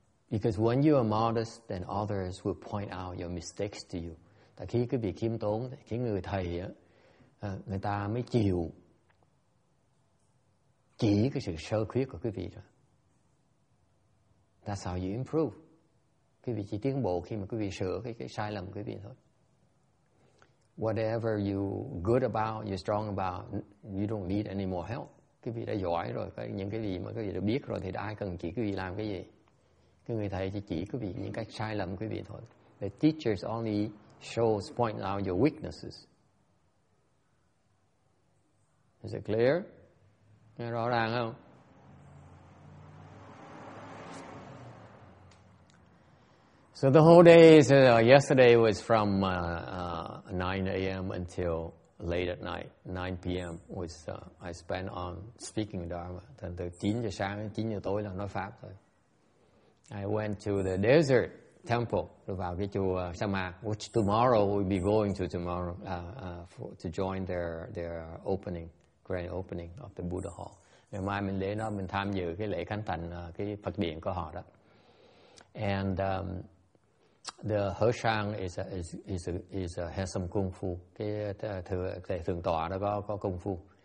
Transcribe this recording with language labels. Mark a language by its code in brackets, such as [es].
[en] Because when you are modest, then others will point out your mistakes to you. [vi] Tại khi quý vị khiêm tốn, khi người thầy á, người ta mới chịu chỉ cái sự sơ khuyết của quý vị rồi. [en] That's how you improve. [vi] quý vị chỉ tiến bộ khi mà quý vị sửa cái sai lầm của quý vị thôi. [en] Whatever you good about, you strong about, you don't need any more help. [vi] Quý vị đã giỏi rồi, những cái gì mà quý vị đã biết rồi thì ai cần chỉ quý vị làm cái gì? Cái người thầy chỉ quý vị những cái sai lầm quý vị thôi. [en] The teachers only shows point out your weaknesses. Is it clear? [vi] Nghe rõ ràng không? [en] So the whole day, yesterday was from 9 a.m. until late at night, 9 p.m. was I spent on speaking Dharma. [vi] Thành từ 9 giờ sáng đến 9 giờ tối là nói pháp thôi. [en] I went to the desert temple, [vi] rồi vào cái chùa Sama, [en] which tomorrow we'll be going to tomorrow to join their opening, grand opening of the Buddha Hall. [vi] Ngày mai mình đến đó, mình tham dự cái lễ khánh thành cái Phật điện của họ đó. [en] And the Hoshang is a handsome kung fu. [vi] Cái thượng tọa đó có kung fu.